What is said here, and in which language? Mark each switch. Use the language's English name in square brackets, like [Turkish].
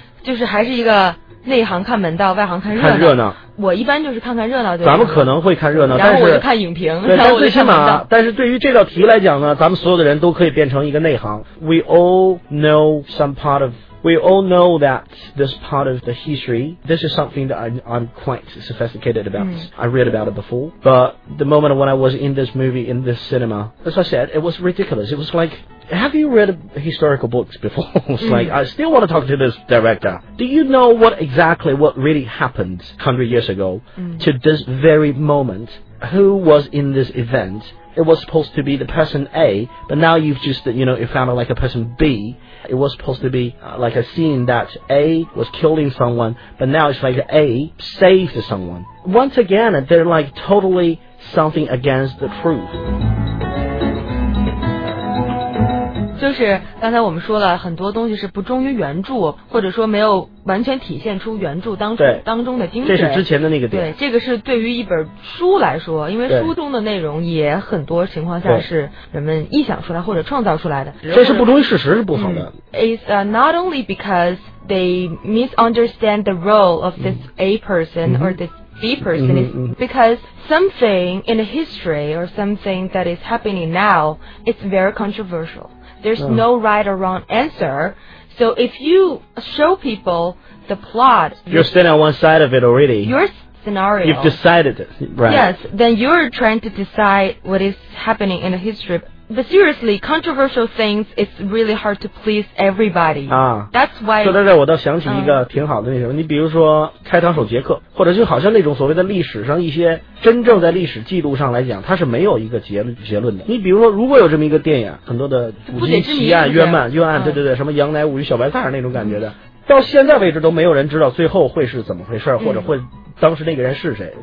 [Chinese] 就是还是一个内行看门道，外行看热闹。看热闹。我一般就是看看热闹。咱们可能会看热闹，然后我就看影评。对，但最起码，但是对于这道题来讲呢，咱们所有的人都可以变成一个内行。 [English] We all know some part of, we all know that this part of the history, this is something that I'm quite sophisticated about.、嗯、 I read about it before, but the moment when I was in this movie in this cinema, as I said, it was ridiculous. It was like. Have you read historical books before? It's like,、 mm. I still want to talk to this director. Do you know what exactly, what really happened 100 years ago、 mm. to this very moment? Who was in this event? It was supposed to be the person A, but now you've just, you know, you found out like a person B. It was supposed to be、like a scene that A was killing someone, but now it's like A saved someone. Once again, they're like totally something against the truth. [Chinese] 就是刚才我们说了很多东西是不忠于原著，或者说没有完全体现出原著当中的精神。这是之前的那个点。对，这个是对于一本书来说，因为书中的内容也很多情况下是人们臆想出来或者创造出来的。这是不忠于事实是不好的。 [English] 嗯、It's、not only because they misunderstand the role of this、嗯、 A person、嗯、 or this B person、嗯、 is because something in the history or something that is happening now is very controversial. There's no right or wrong answer. So if you show people the plot... You're standing on one side of it already. Your scenario... You've decided it, right? Yes, then you're trying to decide what is happening in the history. But seriously, controversial things, it's really hard to please everybody. That's why... [Chinese] 说到这儿，我倒想起一个挺好的那什么。你比如说开膛手杰克，或者就好像那种所谓的历史上一些真正在历史记录上来讲，它是没有一个结论的。你比如说，如果有这么一个电影，很多的古今奇案、冤案，对对对，什么杨乃武与小白菜那种感觉的，到现在为止都没有人知道最后会是怎么回事，或者会当时那个人是谁。